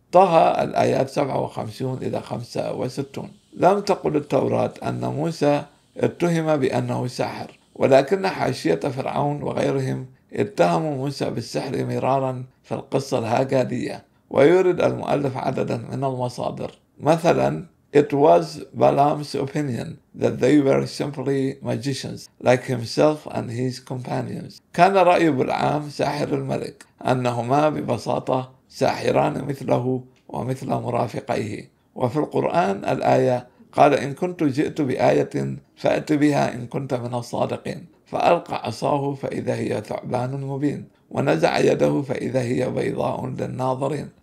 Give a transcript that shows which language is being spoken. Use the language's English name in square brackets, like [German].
[Arabic] طه الآيات 57 إلى 65. لم تقل التوراة أن موسى اتهم بأنه ساحر، ولكن حاشية فرعون وغيرهم اتهموا موسى بالسحر مرارا في القصة الهاجادية. ويرد المؤلف عددا من المصادر. مثلا: [English] It was Balaam's opinion that they were simply magicians like himself and his companions. [Arabic] كان رأي بلعام ساحر الملك أنهما ببساطة ساحران مثله ومثل مرافقيه. وفي القرآن الآية قال: إن كنت جئت بآية فأت بها إن كنت من الصادقين. فألقى عصاه فإذا هي ثعبان مبين، ونزع يده فإذا هي بيضاء للناظرين.